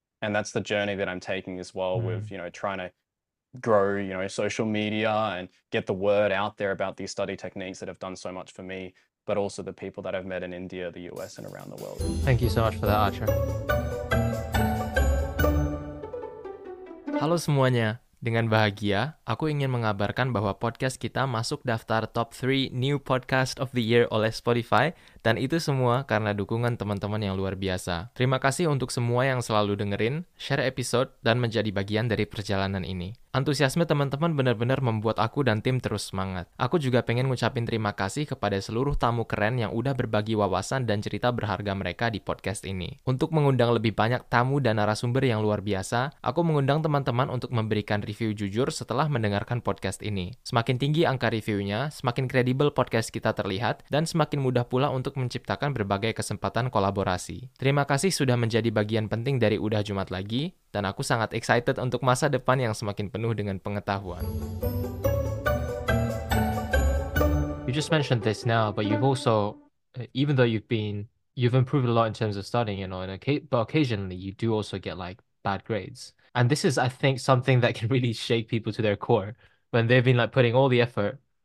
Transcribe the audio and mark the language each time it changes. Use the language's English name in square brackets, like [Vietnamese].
[English] And that's the journey that I'm taking as well with, trying to grow, social media and get the word out there about these study techniques that have done so much for me, but also the people that I've met in India, the US, and around the world. Thank you so much for that, Archer. [Indonesian] Halo semuanya, dengan bahagia aku ingin mengabarkan bahwa podcast kita masuk daftar [English] top 3 new podcast of the year [Indonesian] oleh Spotify, dan itu semua karena dukungan teman-teman yang luar biasa. Terima kasih untuk semua yang selalu dengerin, share episode, dan menjadi bagian dari perjalanan ini. Antusiasme teman-teman benar-benar membuat aku dan tim terus semangat. Aku juga pengen ngucapin terima kasih kepada seluruh tamu keren yang udah berbagi wawasan dan cerita berharga mereka di podcast ini. Untuk mengundang lebih banyak tamu dan narasumber yang luar biasa, aku mengundang teman-teman untuk memberikan review jujur setelah mendengarkan podcast ini. Semakin tinggi angka reviewnya, semakin kredibel podcast kita terlihat, dan semakin mudah pula untuk menciptakan berbagai kesempatan kolaborasi. Terima kasih sudah menjadi bagian penting dari Udah Jumat Lagi, dan aku sangat excited untuk masa depan yang semakin penuh dengan pengetahuan. [English] You just mentioned this now, but you've also, even though you've improved a lot in terms of studying, but occasionally you do also get like bad grades. And this is, I think, something that can really shake people to their core when they've been like putting all the effort.